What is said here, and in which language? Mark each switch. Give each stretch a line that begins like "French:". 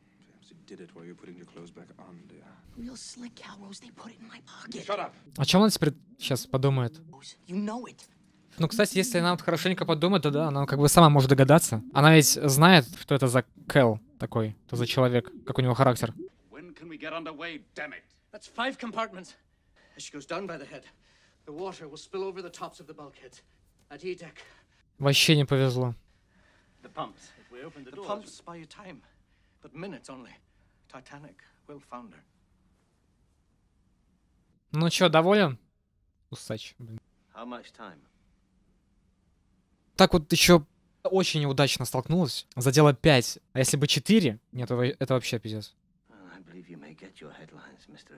English: Perhaps you did it while you're putting your clothes back on, dear. Real slick cowros, they put it in my pocket. Shut up.
Russian: О чем она теперь сейчас подумает?
English: You know it.
Russian: Ну, кстати, если она вот хорошенько подумает, то да, она как бы сама может догадаться. Она ведь знает, что это за Кэл такой, то за человек, как у него характер.
English: When can we get underway, damn it? That's five compartments. As she goes down by the head, the water will spill over the tops of the bulkheads at E deck.
Russian: Вообще не повезло.
English: The pumps. If we open the pumps buy you time, but minutes only. Titanic will founder.
Russian: Ну чё, доволен? Усач, блин.
English: How much time?
Russian: Так вот еще очень неудачно столкнулась. Задела 5. А если бы 4? Нет, это вообще пиздец.
English: Well, I believe you may get your headlines, Mr.